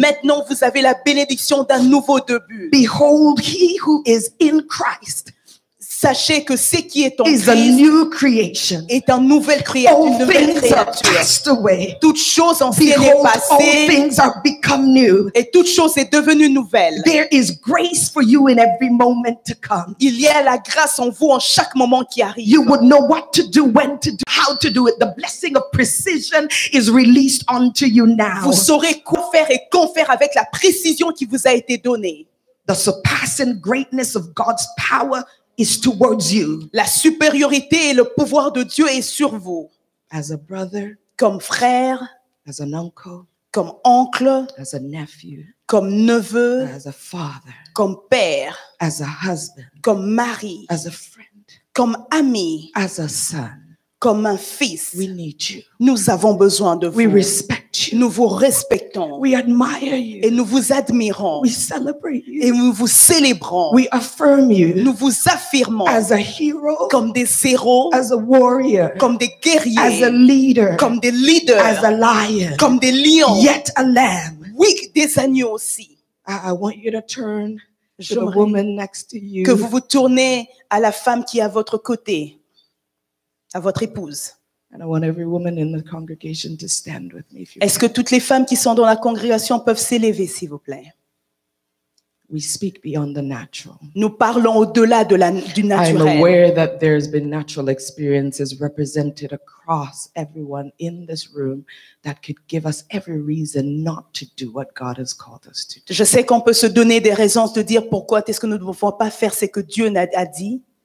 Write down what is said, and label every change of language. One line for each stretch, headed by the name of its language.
French: Maintenant, vous avez la bénédiction d'un nouveau début.
English: Behold, he who is in Christ.
French: Sachez que ce qui est en
English: is Christ a new creation.
French: Est une nouvelle créature.
English: All things are passed away.
French: Toutes choses anciennes
English: behold,
French: est passées.
English: All things are become new.
French: Et toutes choses est devenue nouvelle.
English: There is grace for you in every moment to come.
French: Il y a la grâce en vous en chaque moment qui arrive.
English: You would know what to do, when to do, how to do it. The blessing of precision is released unto you now.
French: Vous saurez quoi faire et qu'en faire avec la précision qui vous a été donnée.
English: The surpassing greatness of God's power is towards you.
French: La supériorité et le pouvoir de Dieu est sur vous.
English: As a brother,
French: comme frère,
English: as an uncle,
French: comme oncle,
English: as a nephew,
French: comme neveu,
English: as a father,
French: comme père,
English: as a husband,
French: comme mari,
English: as a friend,
French: comme ami,
English: as a son,
French: comme un fils.
English: We need you.
French: Nous avons besoin de vous.
English: We respect you.
French: Nous vous respectons.
English: We admire you.
French: Et nous vous admirons.
English: We celebrate you.
French: Et nous vous célébrons.
English: We affirm you.
French: Nous vous affirmons.
English: As a hero.
French: Comme des héros.
English: As a warrior.
French: Comme des guerriers.
English: As a leader.
French: Comme des leaders.
English: As a lion.
French: Comme des lions.
English: Yet a lamb.
French: Oui, des agneaux aussi.
English: I want you to turn to the woman next to you.
French: Que vous vous tournez à la femme qui est à votre côté. À votre épouse.
English: And I want every woman in the congregation to stand with me, if you
French: Est-ce can. Que toutes les femmes qui sont dans la congrégation peuvent s'élever, s'il vous plaît?
English: We speak beyond the natural.
French: Nous parlons au-delà de la du naturel.
English: I'm aware that there's been natural experiences represented across everyone in this room that could give us every reason not to do what God has called us to do.
French: Je sais qu'on peut se donner des raisons de dire pourquoi est-ce que nous ne devons pas faire ce que Dieu a dit.